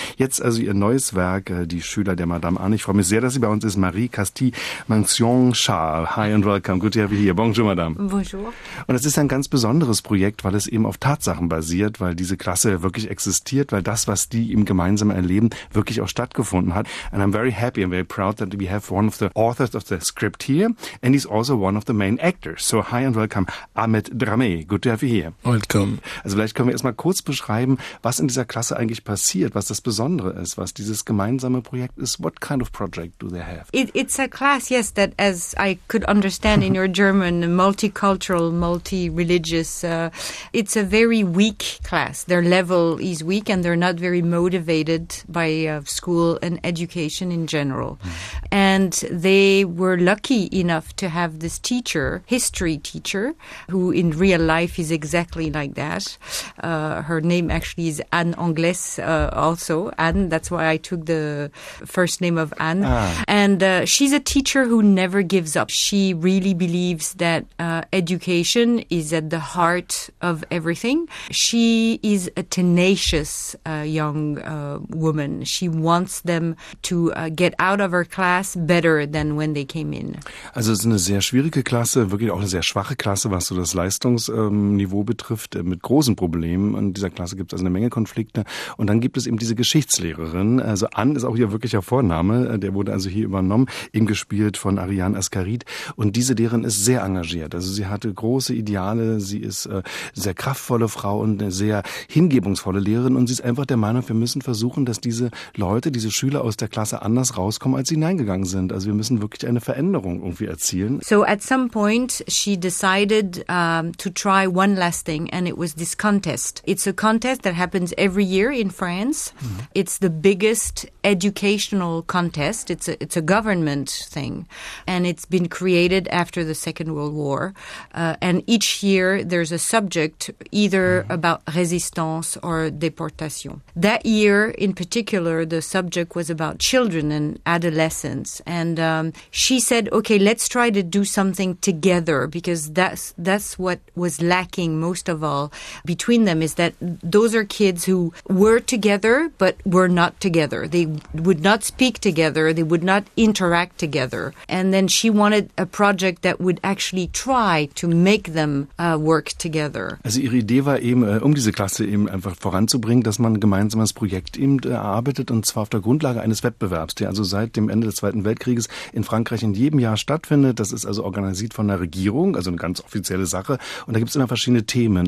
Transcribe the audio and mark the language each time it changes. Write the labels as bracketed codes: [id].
[de] Jetzt also ihr neues Werk, Die Schüler der Madame Anne. Ich freue mich sehr, dass sie bei uns ist, Marie Castille-Mansion-Charles. [en] Hi and welcome. Good to have you here. [fr] Bonjour, Madame. Bonjour. [de] Und es ist ein ganz besonderes Projekt, weil es eben auf Tatsachen basiert, weil diese Klasse wirklich existiert, weil das, was die eben gemeinsam erleben, wirklich auch stattgefunden hat. [en] And I'm very happy and very proud that we have one of the authors of the script here and he's also one of the main actors. So hi and welcome, Ahmed Dramé. Good to have you here. Welcome. [de] Also vielleicht können wir erstmal kurz beschreiben, was in dieser Klasse eigentlich passiert, was das Besondere ist, was dieses gemeinsame Projekt ist. [en] What kind of project do they have? It's a class, yes, that as I could understand in your German, multicultural, multi-religious, it's a very weak class. Their level is weak and they're not very motivated by school and education in general. And they were lucky enough to have this teacher, history teacher, who in real life is exactly like that. Her name actually is Anne Anglès, also Anne. That's why I took the first name of Anne. And she's a teacher who never gives up. She really believes that education is at the heart of everything. She is a tenacious young woman. She wants them to get out of her class better than when they came in. [de] Also es ist eine sehr schwierige Klasse, wirklich auch eine sehr schwache Klasse, was so das Leistungsniveau betrifft, mit großen Problemen an dieser Klasse, gibt es also eine Menge Konflikte. Und dann gibt es eben diese Geschichtslehrerin. Also Anne ist auch ihr wirklicher Vorname. Der wurde also hier übernommen, eben gespielt von Ariane Ascaret. Und diese Lehrerin ist sehr engagiert. Also sie hatte große Ideale. Sie ist eine sehr kraftvolle Frau und eine sehr hingebungsvolle Lehrerin. Und sie ist einfach der Meinung, wir müssen versuchen, dass diese Leute, diese Schüler aus der Klasse anders rauskommen, als sie hineingegangen sind. Also wir müssen wirklich eine Veränderung irgendwie erzielen. [en] So at some point she decided to try one last thing and it was this contest. It's a contest that happens every year in France. Mm-hmm. It's the biggest educational contest. It's a government thing. And it's been created after the Second World War. And each year there's a subject either about résistance or déportation. That year in particular, the subject was about children and adolescents. And she said, okay, let's try to do something together because that's what was lacking most of all between them is that those are kids who were together, but were not together. They would not speak together. They would not interact together. And then she wanted a project that would actually try to make them work together. [de] Also ihre Idee war eben, um diese Klasse eben einfach voranzubringen, dass man ein gemeinsames Projekt eben erarbeitet, und zwar auf der Grundlage eines Wettbewerbs, der also seit dem Ende des Zweiten Weltkrieges in Frankreich in jedem Jahr stattfindet. Das ist also organisiert von der Regierung, also eine ganz offizielle Sache. Und da gibt es immer verschiedene Themen.